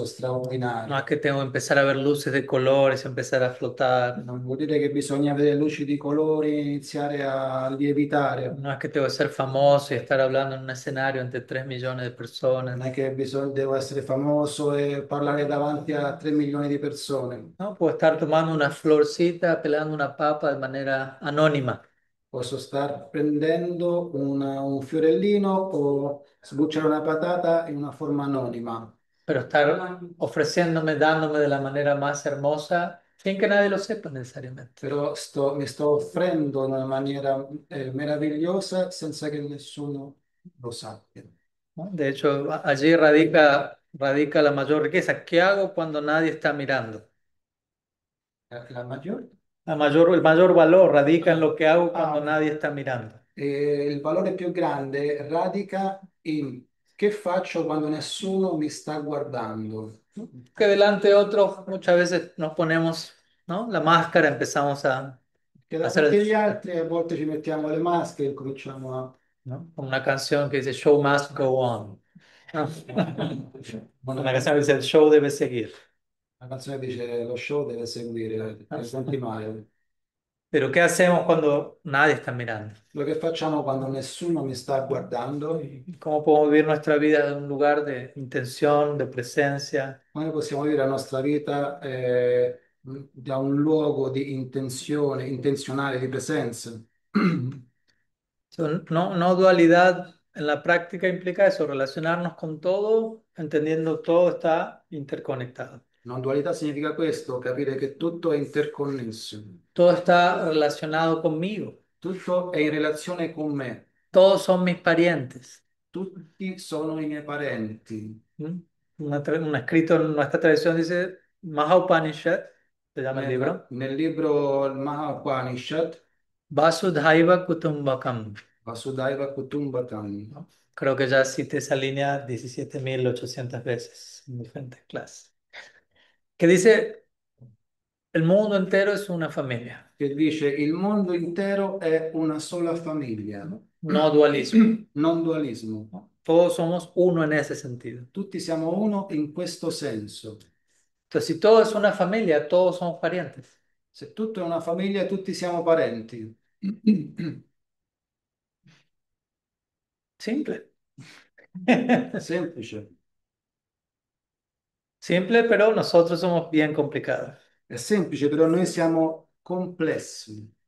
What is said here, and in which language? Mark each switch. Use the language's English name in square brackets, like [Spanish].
[Spanish] No es [Italian] straordinario. [Spanish] que tengo que empezar a ver luces de colores, empezar a flotar. [Italian] Non vuol dire che bisogna vedere luci di colori e iniziare a lievitare. [Spanish] No es que tengo que ser famoso y estar hablando en un escenario ante 3 millones de [Italian] Non [Spanish] personas. [Italian] è che devo essere famoso e parlare davanti a 3 milioni di persone. [Spanish] No, puedo estar tomando una florcita, pelando una papa de manera anónima. [Italian] Posso star prendendo un fiorellino o sbucciare una patata in una forma anonima. [Spanish] Pero estar ofreciéndome, dándome de la manera más hermosa, sin que nadie lo sepa necesariamente. [Italian] Però mi sto offrendo in una maniera meravigliosa senza che nessuno lo sappia. [Spanish] De hecho, allí radica la mayor riqueza. ¿Qué hago cuando nadie está mirando? [Italian] La maggior. [Spanish] El mayor valor radica en Ah. lo que hago cuando Ah, nadie está mirando. [Italian] il valore più grande radica in che faccio quando nessuno mi sta guardando. [Spanish] Que delante de otros muchas veces nos ponemos, ¿no?, la máscara, empezamos a [Italian] Davanti agli [Spanish] hacer, [Italian] altri a volte ci mettiamo le maschere e cominciamo a. [Spanish] ¿no?, una canción que dice [English] Show must go on. [Spanish] Una canción que dice Show debe seguir. [Italian] La canzone dice lo show deve seguire, deve continuare. [Spanish] Pero, ¿qué hacemos cuando nadie está mirando? [Italian] Lo che facciamo quando nessuno mi sta guardando? [Spanish] ¿Cómo podemos vivir nuestra vida en un lugar de intención, de presencia? [Italian] Come possiamo vivere la nostra vita da un luogo di intenzione, intenzionale, di presenza? [Spanish] No, no dualidad en la práctica implica eso, relacionarnos con todo, entendiendo todo está interconectado. [Italian] Non dualità significa questo, capire che tutto è interconnesso. [Spanish] Todo está relacionado conmigo. [Italian] Tutto è in relazione con me. [Spanish] Todos son mis parientes. [Italian] Tutti sono i miei parenti. [Spanish] Un escrito en nuestra tradición dice, Mahaupanishad, se llama el libro. [Italian] Nel libro il Mahapanishad, [Sanskrit] Vasudhaiva Kutumbakam. Vasudeva Kutumbakam. [Spanish] Creo que ya cité esa línea 17.800 veces en diferentes clases. [Italian] Che dice il mondo intero è una famiglia. Che dice il mondo intero è una sola famiglia, non [Spanish] No dualismo. [Italian] dualismo. [Spanish] Todos somos uno en ese sentido. [Italian] Tutti siamo uno in questo senso. [Spanish] Entonces, si todo es una familia, todos somos parientes. [Italian] Se tutto è una famiglia, tutti siamo parenti. Semplice, [Spanish] Simple. Simple, pero nosotros somos bien complicados. [Italian] è semplice, però noi siamo complessi.